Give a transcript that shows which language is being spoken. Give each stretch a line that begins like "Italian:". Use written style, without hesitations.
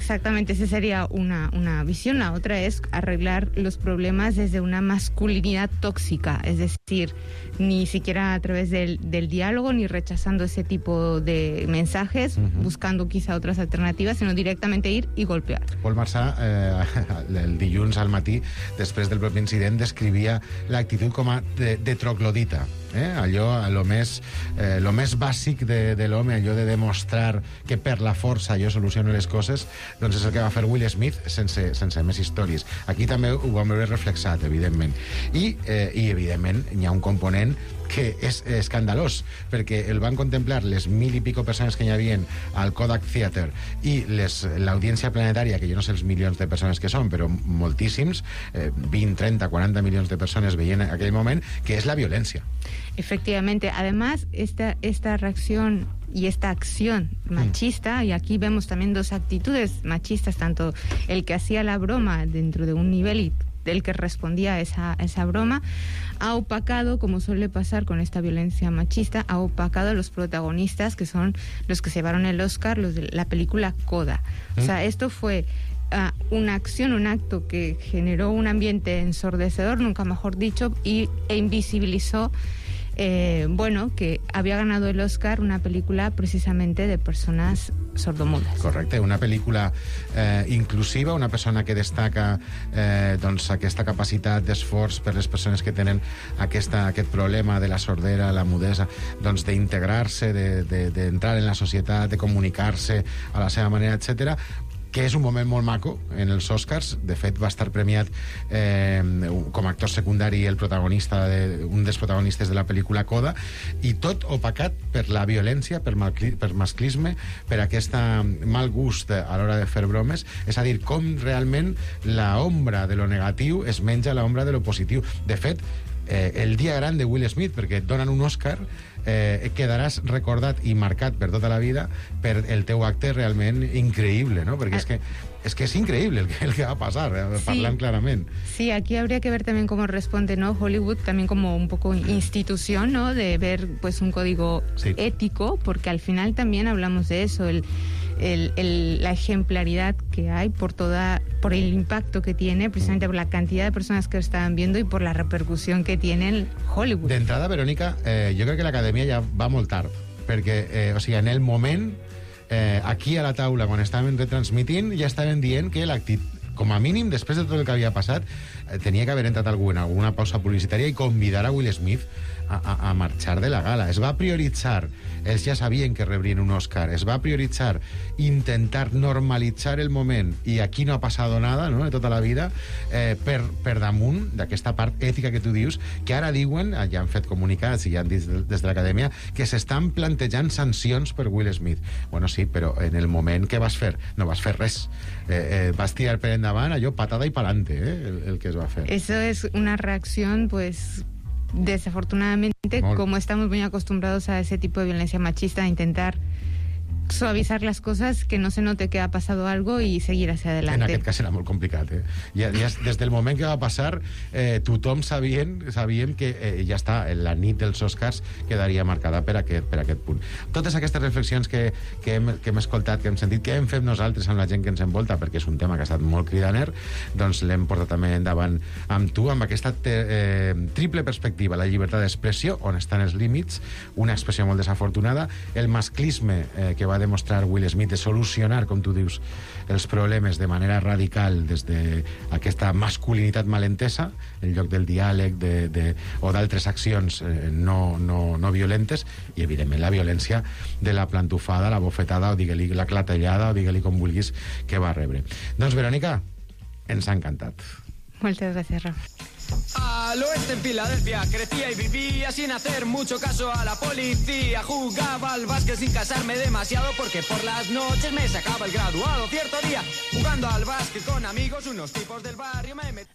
Spanish: Exactamente, esa sería una visión. La otra es arreglar los problemas desde una masculinidad tóxica, es decir, ni siquiera a través del diálogo, ni rechazando ese tipo de mensajes, buscando quizá otras alternatives,
Catalan: sinó directament
Spanish: ir i golpear.
Catalan: Pol Marçà, el dilluns al matí, després del propi incident, descrivia l'actitud com a de troglodita. Allò, lo més bàsic de l'home, allò de demostrar que per la força jo soluciono les coses, doncs és el que va fer Will Smith sense més històries. Aquí també ho vam veure reflexat, evidentment. I evidentment, hi ha un component que és escandalós, perquè el van contemplar les 1,000 i pico persones que hi havia al Kodak Theater i l'audiència planetària, que jo no sé els milions de persones que són, però moltíssims, 20, 30, 40 milions de persones veient aquell moment, que és la violència.
Spanish: Efectivamente, además esta reacción y esta acción machista, y aquí vemos también dos actitudes machistas, tanto el que hacía la broma dentro de un nivel y el que respondía a esa broma, ha opacado, como suele pasar con esta violencia machista, ha opacado a los protagonistas, que son los que se llevaron el Oscar, los de la película Coda. O sea, esto fue una acción, un acto que generó un ambiente ensordecedor, nunca mejor dicho, e invisibilizó que había ganado el Oscar una película precisamente de personas sordomudas.
Catalan: Correcte,
Spanish: una película inclusiva,
Catalan: una persona que destaca doncs aquesta capacitat d'esforç per les persones que tenen aquest problema de la sordera, la mudesa, doncs d'integrar-se, d'entrar en la societat, de comunicar-se a la seva manera, etc. Que és un moment molt maco en els Oscars. De fet, va estar premiat com a actor secundari el protagonista, un dels protagonistes de la pel·lícula Coda, i tot opacat per la violència, per masclisme, per aquest mal gust a l'hora de fer bromes. És a dir, com realment la ombra de lo negatiu es menja la ombra de lo positiu. De fet, el dia gran de Will Smith, perquè et donen un Oscar, quedaràs recordat i marcat per tota la vida per el teu acte realment increïble, no? Perquè és que és increïble el que va passar, parlant clarament.
Spanish: Sí,
Catalan: aquí hauria que veure també
Spanish: com responde, no, Hollywood,
Catalan: també com un poc institució,
Spanish: no, de ver pues un código ético,
Catalan: perquè al final també
Spanish: hablamos de eso, la ejemplaridad que hay por el impacto que tiene, precisamente por la cantidad de personas que estaban viendo y por la repercusión que tiene en Hollywood. De entrada, Verónica, yo creo que la Academia ya
Catalan: va molt tard, perquè en el moment aquí a la taula, quan estàvem retransmitint, ja estàvem dient que l'actitud, com a mínim, després de tot el que havia passat, tenia que haver entrat algú en alguna pausa publicitària i convidar a Will Smith a marxar de la gala. Es va prioritzar, ells ja sabien que rebrien un Oscar, es va prioritzar intentar normalitzar el moment, i aquí no ha passat nada, no?, de tota la vida, per damunt d'aquesta part ètica que tu dius, que ara diuen, ja han fet comunicats i ja han dit des de l'Acadèmia, que s'estan plantejant sancions per Will Smith. Bueno, sí, però en el moment què vas fer? No vas fer res. Vas tirar per endavant allò patada i palante, el que es va fer.
Spanish: Eso es una reacción, pues, desafortunadamente, como estamos muy acostumbrados a ese tipo de violencia machista, a intentar suavizar las cosas, que no se note que ha pasado algo y seguir hacia adelante.
Catalan: En aquest cas era molt complicat, eh? Ja, des del moment que va passar, tothom sabien que ja està, la nit dels Oscars quedaria marcada per aquest punt. Totes aquestes reflexions que hem escoltat, que hem sentit, que hem fet nosaltres amb la gent que ens envolta, perquè és un tema que ha estat molt cridaner, doncs l'hem portat també endavant amb tu, amb aquesta triple perspectiva: la llibertat d'expressió, on estan els límits, una expressió molt desafortunada, el masclisme que va demostrar Will Smith, de solucionar, com tu dius, els problemes de manera radical des d'aquesta masculinitat malentesa, en lloc del diàleg o d'altres accions no violentes, i evidentment la violència de la plantofada, la bofetada, o digue-li la clatellada, o digue-li com vulguis, que va rebre. Doncs, Verònica, ens ha encantat. Moltes gràcies, Rafa.
Spanish: Al oeste en Filadelfia crecía y vivía sin hacer mucho caso a la policía. Jugaba al básquet sin casarme demasiado, porque por las noches me sacaba el graduado. Cierto día, jugando al básquet con amigos, unos tipos del barrio me metí.